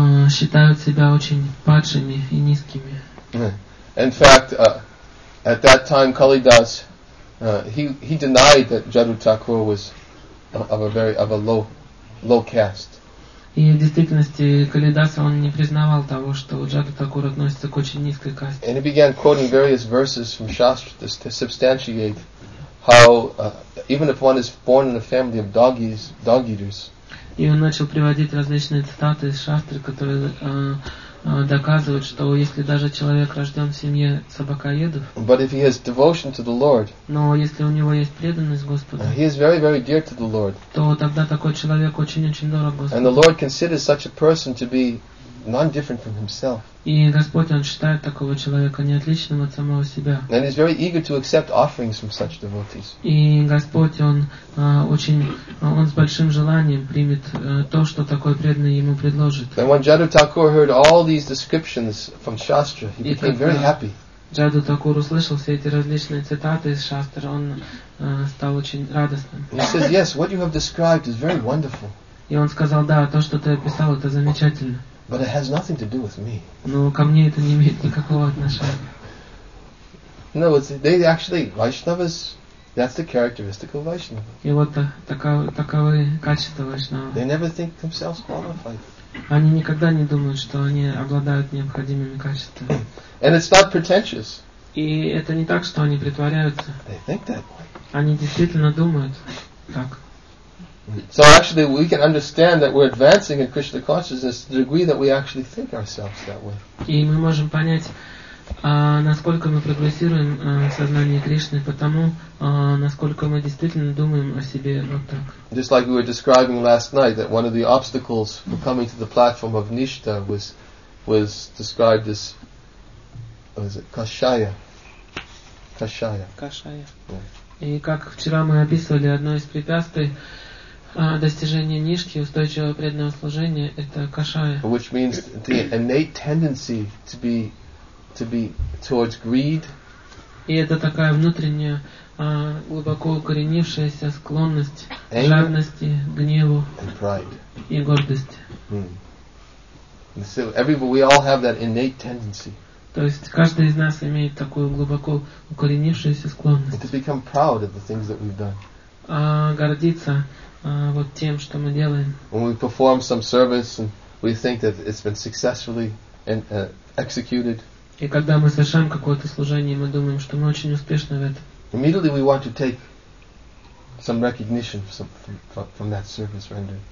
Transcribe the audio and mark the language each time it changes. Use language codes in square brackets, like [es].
[ru] считают себя очень падшими и низкими. [en] In fact, at that time Kalidas he denied that Jadu Thakur was of a low caste. [ru] И в действительности Калидас он не признавал того, что Джаду Такур относится к очень низкой касте. [en] And he began quoting various verses from Shastra to substantiate how even if one is born in a family of dog eaters. [ru] И он начал приводить различные цитаты из шастры, которые доказывают, что если даже человек рожден в семье собакоедов, [en] but if he has devotion to the Lord, [ru] но если у него есть преданность Господу, [en] he is very, very dear to the Lord, [ru] то тогда такой человек очень-очень дорог Господу. [en] And the Lord considers such a person to be non-different from himself. [ru] И Господь, он считает такого человека неотличным от самого себя. [en] And he's very eager to accept offerings from such devotees. [ru] И Господь, он очень, он с большим желанием примет то, что такой преданный ему предложит. [en] And when Jadu Thakur heard all these descriptions from Shastra, he became very happy. [ru] Джаду Такур услышал все эти различные цитаты из Шастры, он стал очень радостным. [en] He says, yes, what you have described is very wonderful. [ru] И он сказал, да, то, что ты описал, это замечательно. [en] But it has nothing to do with me. [ru] Но ко мне это не имеет никакого отношения. [en] No, they actually Vaishnavas. That's the characteristic of Vaishnava. [ru] И вот таковы качества Вайшнава. [en] They never think themselves qualified. [ru] Они никогда не думают, что они обладают необходимыми качествами. [en] And it's not pretentious. [ru] И это не так, что они притворяются. [en] They think that way. [ru] Они действительно думают так. [en] So actually we can understand that we're advancing in Krishna consciousness to the degree that we actually think ourselves that way. [ru] И мы можем понять, насколько мы прогрессируем в сознании Кришны, потому насколько мы действительно думаем о себе вот так. [en] Just like we were describing last night, that one of the obstacles for coming to the platform of Nishta was described as, was it Kashaya? Kashaya. Kashaya. [ru] И как вчера мы описывали одно из препятствий, достижение нишки, устойчивого преданного служения, это кашая. [en] Which means the innate tendency to be towards greed. [ru] И это такая внутренняя, глубоко укоренившаяся склонность к жадности, гневу [en] and pride. [ru] И гордости. Hmm. [en] So everybody, we all have that innate tendency. [ru] То есть каждый из нас имеет такую глубоко укоренившуюся склонность. [en] And to become proud of the things that we've done. [ru] Гордиться. Вот тем, что мы делаем. [en] When we perform some service and we think that it's been successfully and executed. [ru] И когда мы совершаем какое-то служение, мы думаем, что мы очень успешны в этом. [en] Immediately we want to take some recognition from that service rendered.